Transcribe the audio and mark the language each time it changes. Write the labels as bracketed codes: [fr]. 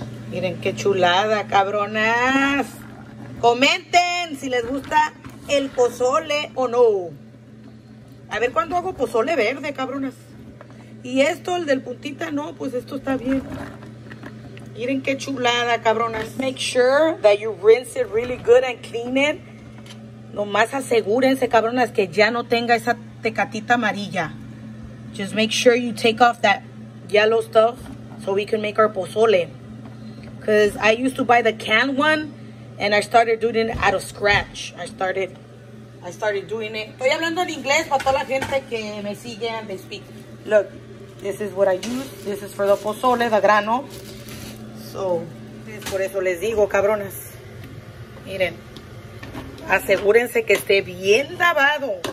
[es] Miren qué chulada, cabronas. Comenten si les gusta el pozole o no. A ver cuándo hago pozole verde, cabronas. Y esto, el del puntita, no, pues esto está bien. Miren qué chulada, cabronas. [en] Make sure that you rinse it really good and clean it. [es] Nomás asegúrense, cabronas, que ya no tenga esa tecatita amarilla. [en] Just make sure you take off that yellow stuff so we can make our pozole. Because I used to buy the canned one and I started doing it out of scratch. I started doing it. [es] Estoy hablando en inglés para toda la gente que me sigue [en] and they speak. Look, this is what I use. This is for the pozole, the grano. [es] So, es por eso les digo, cabronas. Miren, asegúrense que esté bien lavado.